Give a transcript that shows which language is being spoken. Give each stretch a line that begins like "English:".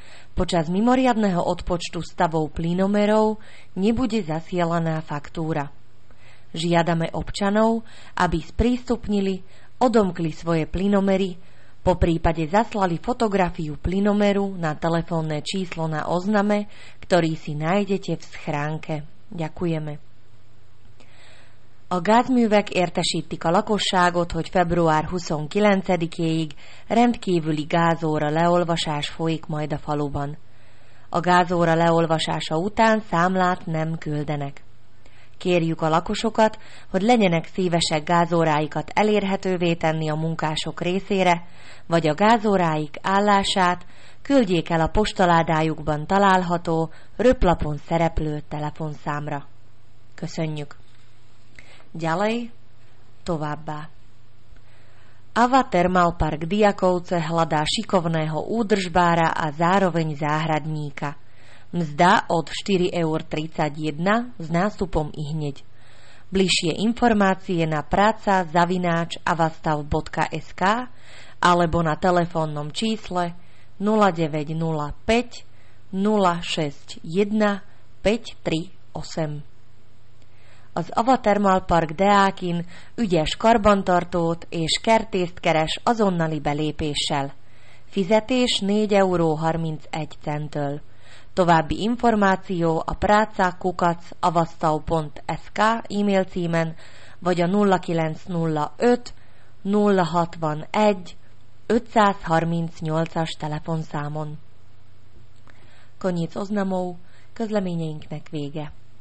Slovak: Počas mimoriadneho odpočtu stavov plynomerov nebude zasielaná faktúra. Žiadame občanov, aby sprístupnili, odomkli svoje plynomery, po prípade zaslali fotografiu plynomeru na telefónne číslo na ozname, ktorý si nájdete v schránke. Ďakujeme.
Hungarian: A gázművek értesítik a lakosságot, hogy február 29-ig rendkívüli gázóra leolvasás folyik majd a faluban. A gázóra leolvasása után számlát nem küldenek. Kérjük a lakosokat, hogy legyenek szívesek gázóráikat elérhetővé tenni a munkások részére, vagy a gázóráik állását küldjék el a postaládájukban található röplapon szereplő telefonszámra. Köszönjük!
Slovak: Ďalej,
Hungarian: továbbá.
Slovak: Ava Thermal Park Diakovce hľadá šikovného údržbára a zároveň záhradníka. Mzda od 4,31 € s nástupom i hneď. Bližšie informácie na praca@avastav.sk alebo na telefónnom čísle 0905 061 538.
Hungarian: Az Ava Thermal Park deákin ügyes karbantartót és kertészt keres azonnali belépéssel. Fizetés 4,31 €. További információ a praca@avastav.sk e-mail címen vagy a 0905 061 538-as telefonszámon.
Slovak: Koniec oznamov,
Hungarian: közleményeinknek vége.